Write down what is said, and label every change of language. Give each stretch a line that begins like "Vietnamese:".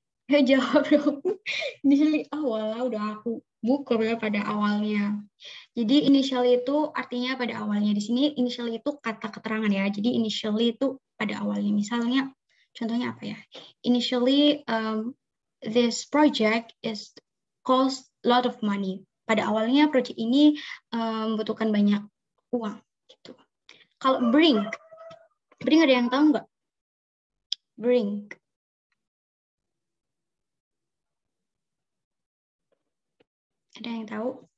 Indonesian: Ya jawab dong, ini awal udah aku bukur ya pada awalnya. Jadi initially itu artinya pada awalnya. Di sini initially itu kata keterangan ya, jadi initially itu pada awalnya. Misalnya, contohnya apa ya?
English: Initially, this project is cost lot of money.
Indonesian: Pada awalnya project ini membutuhkan banyak uang. Gitu. Kalau bring ada yang tahu nggak? Bring. Ada yang tahu?